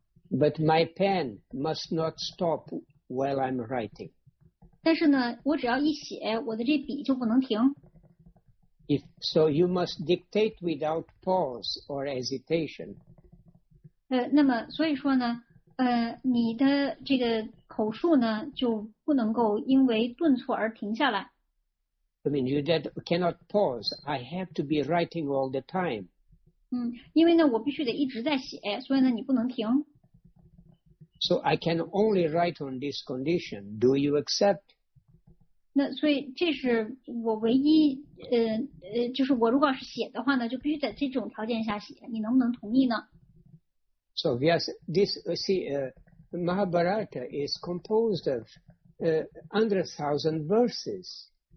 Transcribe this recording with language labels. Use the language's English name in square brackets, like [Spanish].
[English] But my pen must not stop while I'm writing. [Chinese] 但是呢我只要一写我的这笔就不能停。 [English] So you must dictate without pause or hesitation. [Chinese] 那么所以说呢你的这个口述呢就不能够因为顿挫而停下来。 [English] I mean, you cannot pause. I have to be writing all the time. [Chinese] 因为呢我必须得一直在写所以呢你不能停。 [English] So I can only write on this condition. Do you accept? [Chinese] 那所以这是我唯一就是我如果是写的话呢就必须在这种条件下写你能不能同意呢 [English] So yes, this, Mahabharata is composed of 100,000 verses.